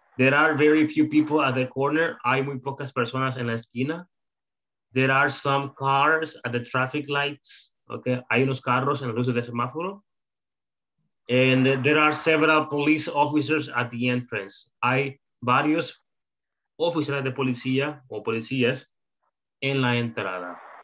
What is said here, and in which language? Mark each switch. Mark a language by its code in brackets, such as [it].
[en] There are very few people at the corner. [es] Hay muy pocas personas en la esquina. [en] There are some cars at the traffic lights. [es] Okay, hay unos carros en la luz del semáforo. [en] And there are several police officers at the entrance. [es] Hay varios oficiales de policía o policías en la entrada.